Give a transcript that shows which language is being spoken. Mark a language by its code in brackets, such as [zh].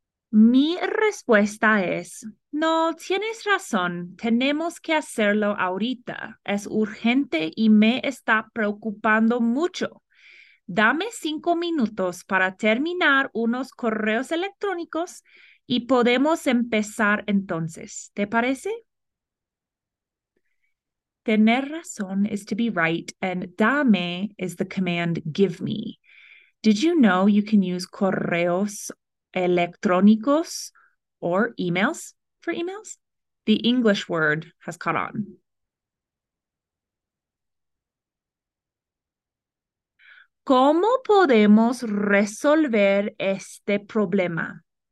[es] Mi respuesta es, no, tienes razón, tenemos que hacerlo ahorita. Es urgente y me está preocupando mucho. Dame 5 minutos para terminar unos correos electrónicos y podemos empezar entonces. ¿Te parece? [en] Tener razón is to be right and dame is the command give me. Did you know you can use correos electrónicos or emails for emails? The English word has caught on. [es] ¿Cómo podemos resolver este problema?